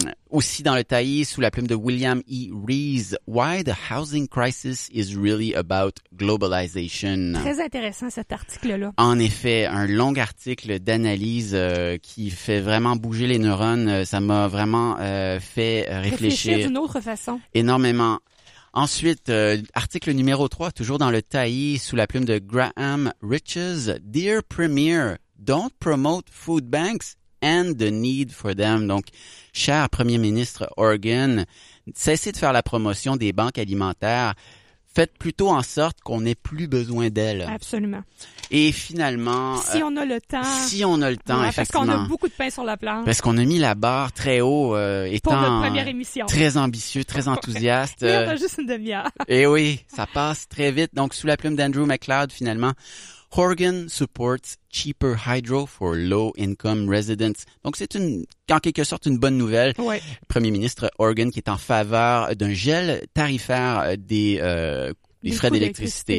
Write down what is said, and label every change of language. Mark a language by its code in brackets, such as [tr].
[fr] Aussi dans le Taï, sous la plume de William E. [en] Rees, Why the Housing Crisis is Really About Globalization. [fr] Très intéressant cet article-là. En effet, un long article d'analyse qui fait vraiment bouger les neurones. Ça m'a vraiment fait réfléchir d'une autre façon. Énormément. Ensuite, article numéro 3, toujours dans le Taï, sous la plume de Graham Riches, [en] Dear Premier, Don't Promote Food Banks and the need for them. [fr] Donc, cher Premier ministre Horgan, cessez de faire la promotion des banques alimentaires. Faites plutôt en sorte qu'on n'ait plus besoin d'elles. Absolument. Et finalement... Si on a le temps. Si on a le temps, ouais, effectivement. Parce qu'on a beaucoup de pain sur la planche. Parce qu'on a mis la barre très haut, étant... Pour notre première émission. Très ambitieux, très enthousiaste. Il y en a juste une demi-heure. Et oui, ça passe très vite. Donc, sous la plume d'Andrew McLeod, finalement... [en] Horgan supports cheaper hydro for low-income residents. [fr] Donc, c'est une, en quelque sorte une bonne nouvelle. Ouais. Premier ministre Horgan qui est en faveur d'un gel tarifaire des frais d'électricité.